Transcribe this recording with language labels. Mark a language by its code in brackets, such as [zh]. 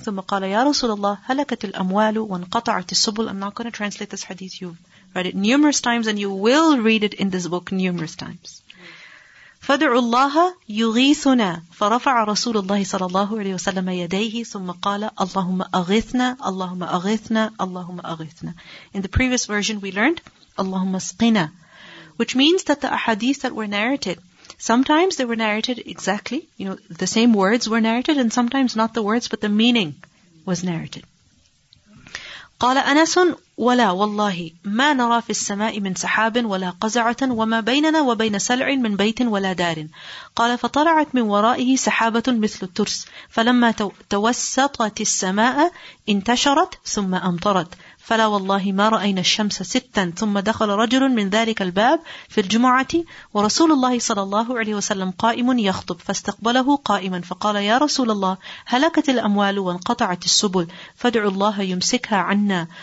[ar] ثم قال يا رسول الله هلكت الأموال وانقطعت السبل. [en] I'm not going to translate this hadith. You've read it numerous times and you will read it in this book numerous times. [ar] فَدْعُوا اللَّهَ يُغِيثُنَا. فَرَفَعَ رَسُولُ اللَّهِ صَلَى اللَّهُ عَلَيْهِ وَسَلَّمَ يَدَيْهِ ثم قال اللهم أغثنا اللهم أغثنا اللهم أغثنا. [en] In the previous version we learned [ar] اللهم اسقنا, [en] which means that the ahadith that were narrated, sometimes they were narrated exactly, you know, the same words were narrated, and sometimes not the words, but the meaning was narrated. [ar] قال أنس ولا والله ما نرى في السماء من سحاب ولا قزعة وما بيننا وبين سلع من بيت ولا دار. قال فطلعت من ورائه سحابة مثل الترس فلما توسطت السماء انتشرت ثم أمطرت فلا والله ما رأينا الشمس ستا ثم دخل رجل من ذلك الباب في الجمعة ورسول الله صلى الله عليه وسلم قائم يخطب فاستقبله قائما فقال يا رسول الله هلكت الأموال وانقطعت السبل فادعوا الله يمسكها عنا.